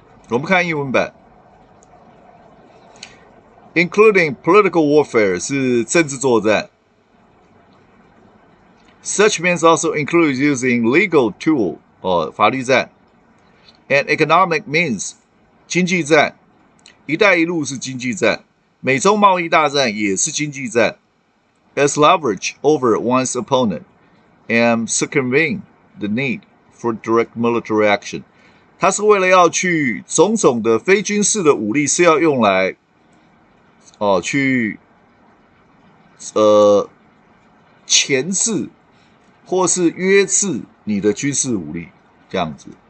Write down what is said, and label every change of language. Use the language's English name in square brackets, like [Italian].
[Chinese] 我们看英文版 ， [English] including political warfare [Chinese] 是政治作战。 [English] Such means also includes using legal tool [Chinese] 哦，法律战 [English] ，and economic means [Chinese] 经济战。一带一路是经济战，美中贸易大战也是经济战。 [English] As leverage over one's opponent and circumvent the need for direct military action。 [Chinese] 他是为了要去种种的非军事的武力是要用来、哦、去钳制或是约制你的军事武力这样子。